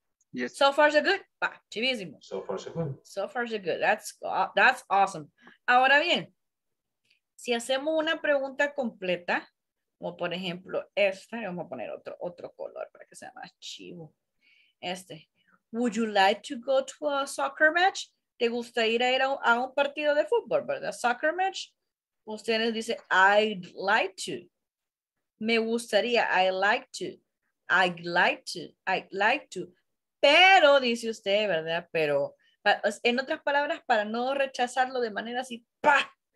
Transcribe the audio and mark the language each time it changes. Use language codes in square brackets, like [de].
[en] Yes. So far so good. [es] Bah, chivísimo. [en] So far so good. So far so good. That's awesome. [es] Ahora bien, si hacemos una pregunta completa, como por ejemplo esta, vamos a poner otro color para que sea más chivo. Este. [en] Would you like to go to a soccer match? [es] ¿Te gusta ir a un partido de fútbol, verdad? [en] Soccer match. [es] Ustedes dicen, [en] I'd like to. [es] Me gustaría, [en] I'd like to. I'd like to. [es] Pero, dice usted, ¿verdad? Pero, en otras palabras, para no rechazarlo de manera así, ¡pah!